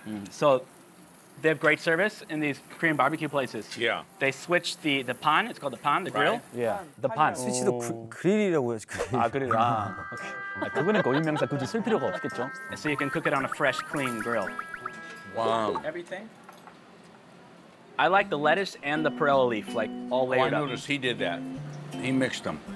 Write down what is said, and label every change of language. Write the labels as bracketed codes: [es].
[en] So they have great service in these Korean barbecue places. Yeah. They switch the pan. It's called the pan, the grill. Right. Yeah. The pan. [ko] 스위치도 그릴이라고 해요. 그릴. 아 그릴. 아. 아 그분의 고유 명사 굳이 쓸 필요가 없겠죠? [en] So you can cook it on a fresh, clean grill. Wow. Everything. I like the lettuce and the perilla leaf, like all layered up. I noticed he did that. He mixed them.